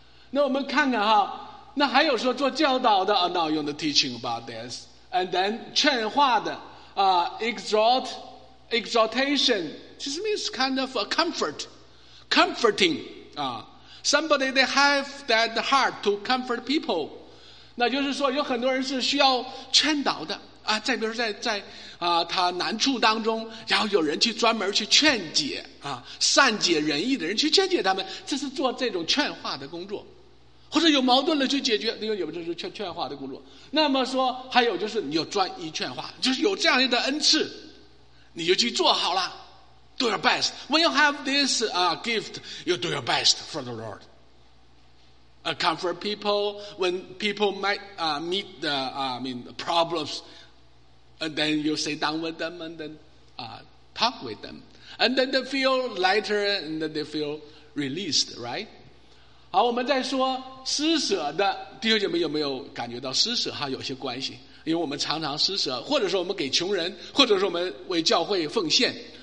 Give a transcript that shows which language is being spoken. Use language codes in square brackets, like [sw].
[zh] 那我们看看哈，那还有说做教导的 [en] now you're teaching about this. And then 劝化的exhortation, this means kind of a comfort. Comforting, somebody they have that heart to comfort people. [zh] 那就是说有很多人是需要劝导的啊，在比如说在他难处当中，然后有人去专门去劝解啊，善解人意的人去劝解他们，这是做这种劝化的工作。或者有矛盾的去解决，那有这是劝化的工作。那么说还有就是你有专一劝化，就是有这样的恩赐，你就去做好了。 [en] Do your best. When you have this gift, you do your best for the Lord. Comfort people when people might meet the, the problems, and then you sit down with them and then talk with them. And then they feel lighter and then they feel released, right? [zh] 好，我们再说施舍的，弟兄姐妹有没有感觉到施舍哈有些关系？因为我们常常施舍，或者说我们给穷人，或者说我们为教会奉献。